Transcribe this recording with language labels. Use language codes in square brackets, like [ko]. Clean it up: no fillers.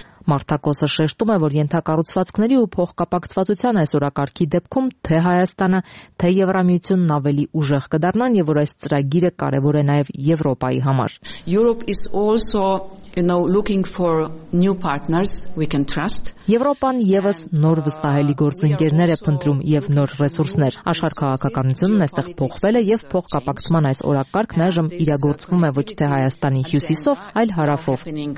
[hy] Մարտակոսը շեշտում է, որ ենթակառուցվածքների ու փոխկապակցվածության այս օրակարգի դեպքում թե Հայաստանը, թե Եվրամիությունն ավելի ուժեղ կդառնան եւ որ այս ծրագիրը կարեւոր է նաեւ Եվրոպայի համար։ [en] Europe is also, you know, looking for new partners we can trust. [hy] Եվրոպան եւս նոր վստահելի գործընկերներ է փնտրում եւ նոր ռեսուրսներ։ Աշխարհքաղաքականությունն էստեղ փոխվել է եւ փոխկապակցման այս օրակարգն այժմ իրագործվում է ոչ թե Հայաստանի հյուսիսով, այլ հարավով։